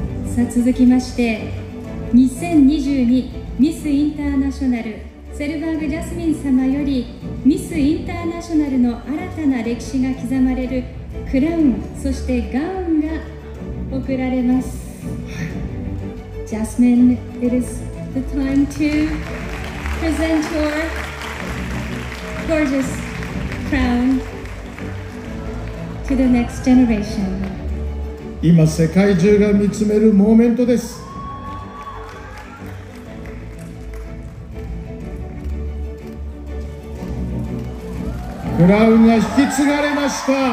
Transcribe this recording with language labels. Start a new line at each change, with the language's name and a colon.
Japanese: さあ続きまして2022ミスインターナショナルセルバーグジャスミン様よりミスインターナショナルの新たな歴史が刻まれるクラウン、そしてガウンが贈られます。
English: ジャスミン、it is the time to present your gorgeous crown to the next generation.
Japanese: 今世界中が見つめるモーメントです。クラウンが引き継がれました。